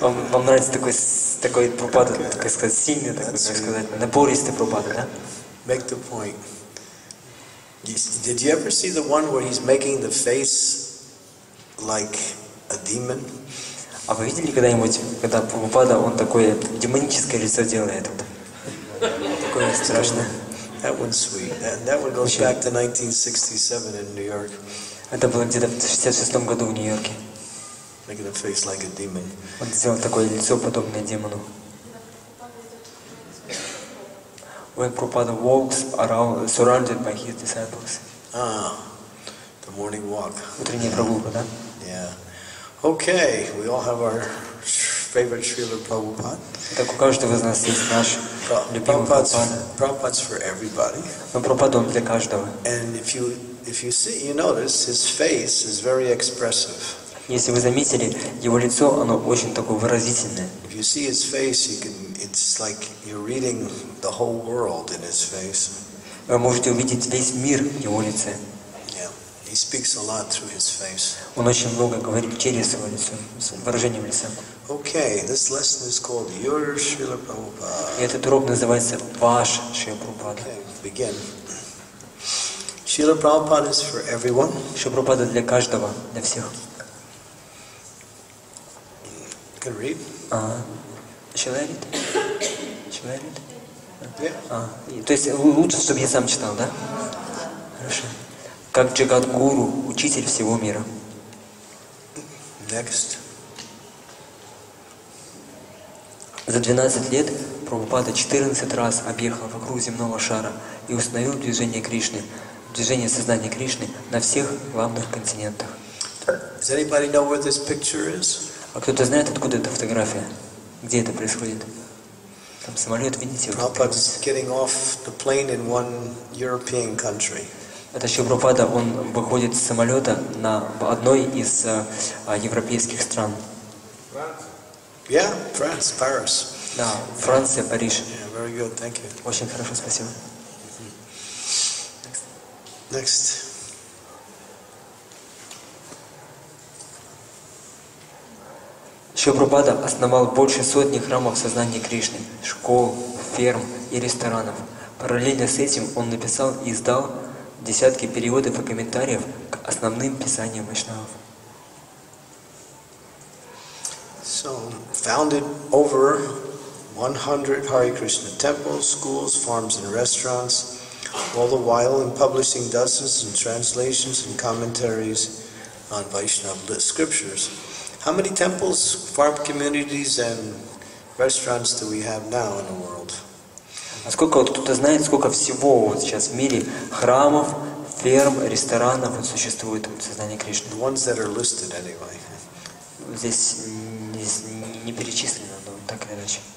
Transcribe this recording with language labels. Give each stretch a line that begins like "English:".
Russian: Вам нравится такой Прабхупада, так сказать, сильный, так сказать, напористый Прабхупада, да?
English: Make the point. Did you ever see the one where he's making the face like a demon?
Russian: А вы видели когда-нибудь, когда Прабхупада, он такое демоническое лицо делает? Такое страшное.
English: That one's sweet. That one goes back to 1967 in New York.
Russian: Это было где-то в 66 году в Нью-Йорке.
English: Making a face like a demon.
Russian: Он сделал такое лицо, подобное демону.
English: When Prabhupada walks around, surrounded by his disciples. Ah, the morning walk.
Russian: Утренняя прогулка, да?
English: Yeah. Okay, we all have our favorite Srila Prabhupada.
Russian: Так у каждого из нас есть наш любимый Прабхупада.
English: Prabhupada's for everybody.
Russian: Но Прабхупада для каждого.
English: And if you see, you notice his face is very expressive.
Russian: Если вы заметили, его лицо, оно очень такое выразительное.
English: If you see his face, it's like you're reading the whole world in his face.
Russian: Вы можете увидеть весь мир в его лице.
English: Yeah. He speaks a lot through his face.
Russian: Он очень много говорит через свое лицо, с выражением лица.
English: Okay, this lesson is called Your Srila Prabhupada.
Russian: И этот урок называется Ваш Шрила Прабхупада.
English: Okay, begin. Srila Prabhupada is for everyone.
Russian: Шрила Прабхупада для каждого, для всех.
English: Can I read? Shall I read? Yeah.
Russian: То есть лучше, чтобы я сам читал, да? Хорошо. Как Джагадгуру, учитель всего мира.
English: Next.
Russian: За 12 лет Прабхупада 14 раз объехал вокруг земного шара и установил движение Кришны, движение сознания Кришны на всех главных континентах.
English: Does anybody know where this picture is?
Russian: А кто-то знает, откуда эта фотография? Где это происходит? Там самолет, видите?
English: Prabhupada is getting off the plane in one European country.
Russian: Это Шрила Прабхупада, он выходит с самолета на одной из европейских стран.
English: France. Yeah, France, Paris.
Russian: Да, Франция, Париж.
English: Yeah, very good, thank you.
Russian: Очень хорошо, спасибо.
English: Next.
Russian: Шрила Прабхупада основал больше сотни храмов сознания Кришны, школ, ферм и ресторанов. Параллельно с этим он написал и издал десятки переводов и комментариев к основным писаниям вайшнавов.
English: So, founded over 100 Hare Krishna temples, schools, farms and restaurants, all the while in publishing dozens and translations and commentaries on Vaishnava scriptures. How many temples, farm communities and restaurants do we have now in the world?
Russian: А сколько, вот кто-то знает, сколько всего вот сейчас в мире храмов, ферм, ресторанов вот существует в сознании Кришны?
English: The ones that are listed anyway.
Russian: Здесь не перечислено, но так или иначе.